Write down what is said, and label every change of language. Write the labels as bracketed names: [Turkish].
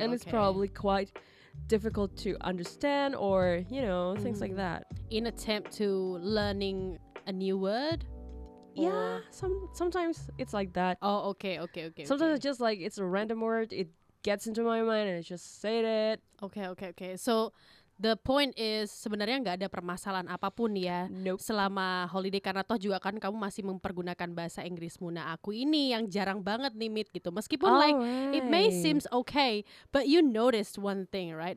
[English] And it's probably quite difficult to understand or, you know, things like that. In attempt to learning a new word? Yeah, sometimes it's like that. Oh, okay. Sometimes okay. It's just like it's a random word. It gets into my mind and I just say it. Okay. So the point is [Indonesian] sebenarnya nggak ada permasalahan apapun ya selama holiday, karena toh juga kan kamu masih mempergunakan bahasa Inggrismu. Nah, aku ini yang jarang banget nih meet gitu. [English] Meskipun it may seems okay, but you noticed one thing, right?